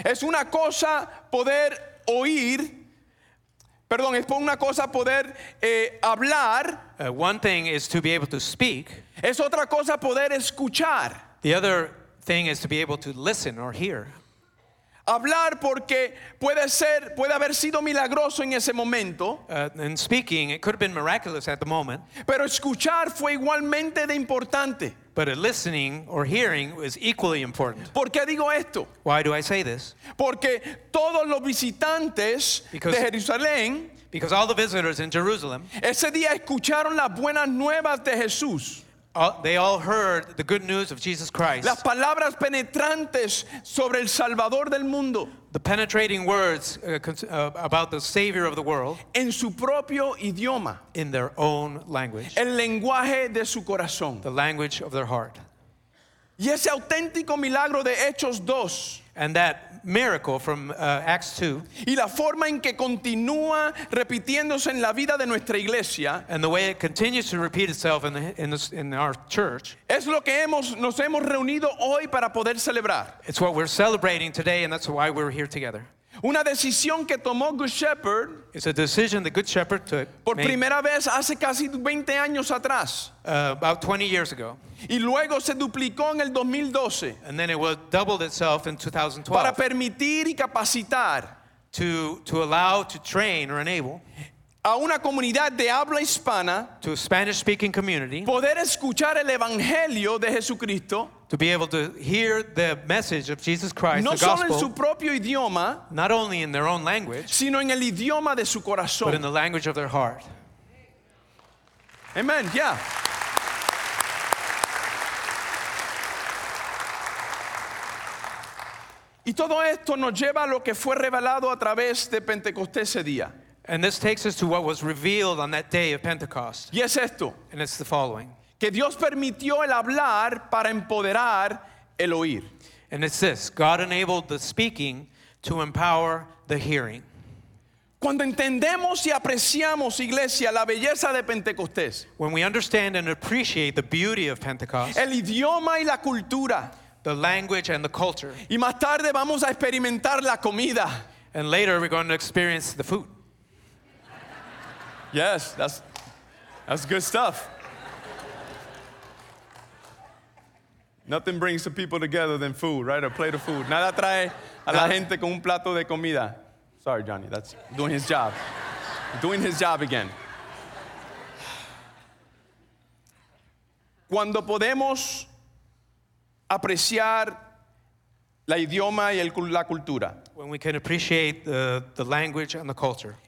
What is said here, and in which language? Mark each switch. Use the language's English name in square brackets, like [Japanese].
[Spanish] Es una cosa poder oír, perdón, es una cosa poder hablar. [English] One thing is to be able to speak. [Spanish] Es otra cosa poder escuchar. [English] The other thing is to be able to listen or hear. [Spanish] Hablar porque puede ser, puede haber sido milagroso en ese momento. [English] And speaking, it could have been miraculous at the moment. [Spanish] Pero escuchar fue igualmente de importante. [English] But a listening or hearing is equally important. [Spanish] ¿Por qué digo esto? [English] Why do I say this? [Spanish] Porque todos los visitantes de Jerusalén, [English] because all the visitors in Jerusalem, [Spanish] ese día escucharon las buenas nuevas de Jesús. [English] They all heard the good news of Jesus Christ. [Spanish] Las palabras penetrantes sobre el Salvador del mundo. [English] The penetrating words about the Savior of the world. [Spanish] En su propio idioma. [English] In their own language. [Spanish] El lenguaje de su corazón. [English] The language of their heart. [Spanish] Y ese auténtico milagro de Hechos 2. [English] And that miracle from Acts 2. [Spanish] Y la forma en que continúa repitiéndose en la vida de nuestra iglesia. [English] And the way it continues to repeat itself in our church. [Spanish] Es lo que nos hemos reunido hoy para poder celebrar. [English] It's what we're celebrating today, and that's why we're here together. [Spanish] Una decisión que tomó Good Shepherd. [English] It's a decision the Good Shepherd took. [Spanish] Por primera vez hace casi 20 años atrás. [English] About 20 years ago. [Spanish] Y luego se duplicó en el 2012. [English] And then it was doubled itself in 2012. [Spanish] Para permitir y capacitar. [English] To allow, to train or enable. [Spanish] A una comunidad de habla hispana. [English] To a Spanish-speaking community. [Spanish] Poder escuchar el evangelio de Jesucristo. [English] To be able to hear the message of Jesus Christ, [Spanish] no [English] the gospel, [Spanish] solo en su propio idioma, [English] not only in their own language, [Spanish] sino en el idioma de su corazón, [English] but in the language of their heart. Amen, yeah. [Spanish] Y todo esto nos lleva a lo que fue revelado a través de Pentecostés ese día. [English] And this takes us to what was revealed on that day of Pentecost. [Spanish] Y es esto. [English] And it's the following. [Spanish] Que Dios permitió el hablar para empoderar el oír. [English] And it's this, God enabled the speaking to empower the hearing. [Spanish] Cuando entendemos y apreciamos, iglesia, la belleza de Pentecostés. [English] When we understand and appreciate the beauty of Pentecost. [Spanish] El idioma y la cultura. [English] The language and the culture. [Spanish] Y más tarde vamos a experimentar la comida. [English] And later we're going to experience the food. Yes, that's good stuff. Nothing brings the people together than food, right? A plate of food. [Spanish] Nada trae a la gente con un plato de comida. [English] Sorry, [Spanish] Johnny. [English] That's doing his job. Doing his job again. [Spanish] Cuando podemos apreciar la idioma y la cultura. [English] When we can appreciate the language and the culture.